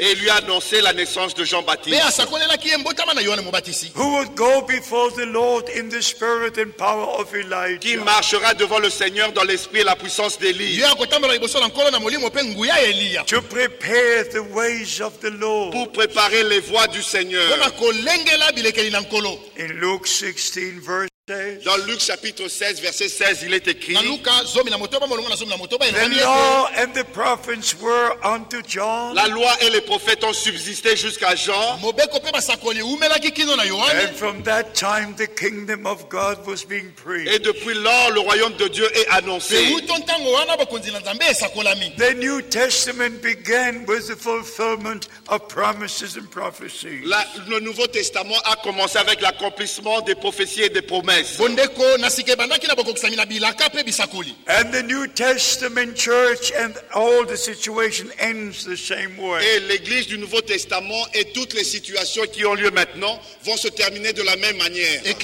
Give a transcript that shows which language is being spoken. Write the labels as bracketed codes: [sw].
[fr] et lui a annoncé la naissance de Jean-Baptiste, [en] who would go before the Lord in the spirit. And power of Elijah. [fr] Qui marchera devant le Seigneur dans l'esprit et la puissance d'Élie. [en] To prepare the ways of the Lord. [fr] Pour préparer les voies du Seigneur. [en] In Luke 16, verse. [fr] Dans Luc chapitre 16, verset 16, il est écrit: [en] The law and the prophets were unto John. [fr] La loi et les prophètes ont subsisté jusqu'à Jean. [en] And from that time, the kingdom of God was being preached. [fr] Et depuis lors, le royaume de Dieu est annoncé. [en] The New Testament began with the fulfillment of promises and prophecies. [fr] Le Nouveau Testament a commencé avec l'accomplissement des prophéties et des promesses. [en] And the New Testament church and all the situation ends the same way. [fr] Et l'église du Nouveau Testament et toutes les situations qui ont lieu maintenant vont se terminer de la même manière.